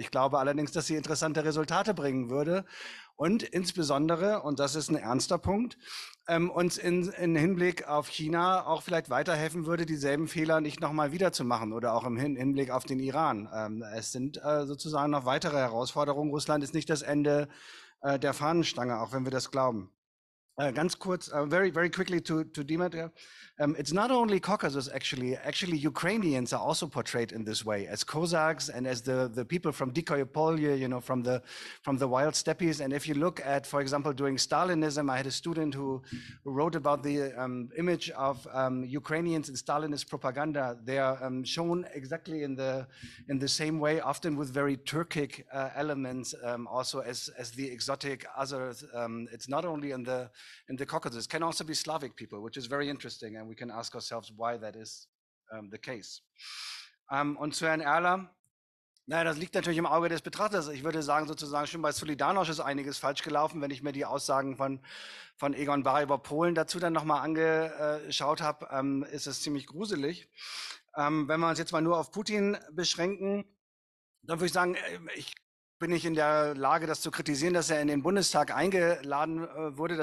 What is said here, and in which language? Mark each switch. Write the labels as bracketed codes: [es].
[de] Ich glaube allerdings, dass sie interessante Resultate bringen würde. Und insbesondere, und das ist ein ernster Punkt, uns in Hinblick auf China auch vielleicht weiterhelfen würde, dieselben Fehler nicht nochmal wiederzumachen oder auch im Hinblick auf den Iran. Es sind sozusagen noch weitere Herausforderungen. Russland ist nicht das Ende der Fahnenstange, auch wenn wir das glauben. Ganz kurz, [en] very, very quickly to Dimitri. It's not only Caucasus, actually Ukrainians are also portrayed in this way as Cossacks and as the people from Dikoyopolye, you know, from the wild steppes. And if you look at, for example, during Stalinism, I had a student who wrote about the image of Ukrainians in Stalinist propaganda. They are shown exactly in the same way, often with very Turkic elements, also as the exotic others. It's not only in the Caucasus, it can also be Slavic people, which is very interesting. And we can ask ourselves, why that is the case. [de] Und zu Herrn Erler, naja, das liegt natürlich im Auge des Betrachters. Ich würde sagen, sozusagen schon bei Solidarność ist einiges falsch gelaufen, wenn ich mir die Aussagen von Egon Barr über Polen dazu dann nochmal angeschaut habe, ist es ziemlich gruselig. Wenn wir uns jetzt mal nur auf Putin beschränken, dann würde ich sagen, bin ich in der Lage, das zu kritisieren, dass er in den Bundestag eingeladen wurde.